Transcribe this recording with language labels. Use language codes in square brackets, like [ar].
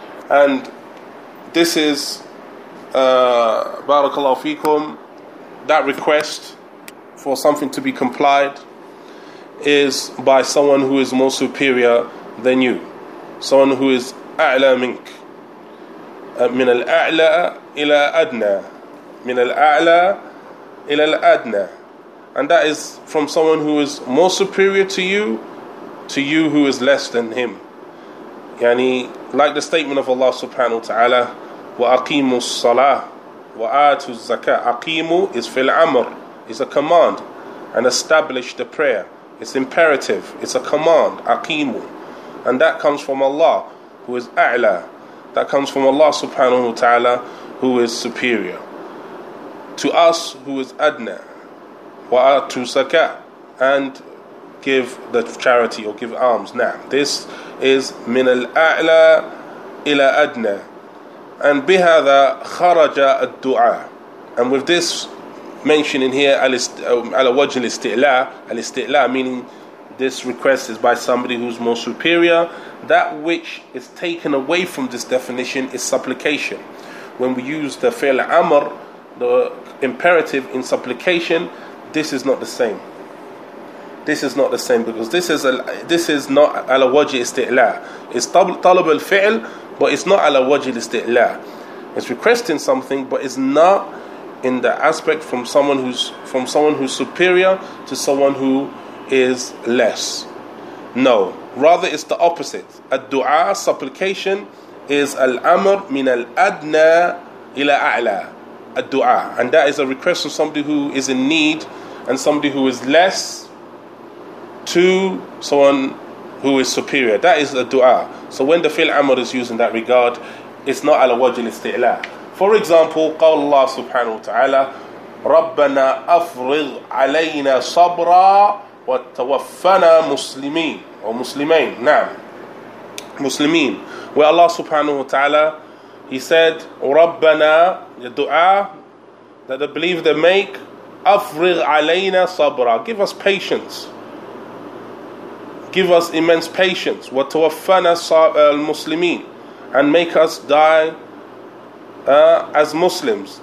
[en] And this is [ar] بارك الله فيكم, [en] that request for something to be complied is by someone who is more superior than you, someone who is [ar] أعلى منك. من الأعلى إلى أدنى, من الأعلى إلى الأدنى. [en] And that is from someone who is more superior to you who is less than him. Yani, like the statement of Allah subhanahu wa ta'ala, [ar] وَأَقِيمُوا الصَّلَاةِ وَآتُوا الزَّكَاةِ. [en] أَقِيمُوا is [ar] فِي الْعَمْرِ, [en] is a command. And establish the prayer, it's imperative, it's a command. [ar] أَقِيمُوا. [en] And that comes from Allah, who is أَعْلَى. That comes from Allah subhanahu wa ta'ala, who is superior to us, who is أَدْنَى. [ar] وَآتُوا الزَّكَاةِ, [en] and give the charity or give alms. Now, this is [ar] مِنَ الْأَعْلَى إِلَى أَدْنَى. And بِهَذَا خَرَجَ الدُّعَى. [en] And with this mention in here, [ar] عَلَى وَجْهِ الْإِسْتِعْلَى, [en] الْإِسْتِعْلَى meaning this request is by somebody who's more superior, that which is taken away from this definition is supplication. When we use the فِيلَ amr, the imperative in supplication, this is not the same. This is not the same, because this is not [ar] ala waji isti'la. [en] It's talab al-fi'l, but it's not [ar] ala waji isti'la. [en] It's requesting something, but it's not in the aspect from someone who's superior to someone who is less. No, rather it's the opposite. Ad-du'a, supplication, is [ar] al-amr min al-adna ila a'la. [en] Ad-du'a, and that is a request from somebody who is in need and somebody who is less to someone who is superior. That is a dua. So when the fil amr is used in that regard, it's not [ar] ala wajh al-isti'la. [en] For example, [ar] قَالَ اللَّهُ سُبْحَانَهُ وَتَعَالَى رَبَّنَا أَفْرِغْ عَلَيْنَا صَبْرًا وَتَوَفَّنَا مُسْلِمِينَ or مُسْلِمَيْن. نعم, مُسْلِمِين. [en] Where Allah subhanahu wa ta'ala, He said, رَبَّنَا, the dua that the believer they make, [ar] أَفْرِغْ عَلَيْنَا صَبْرًا, [en] give us patience. Give us immense patience. [ar] وَتَوَفَّنَا الْمُسْلِمِينَ, [en] and make us die as Muslims.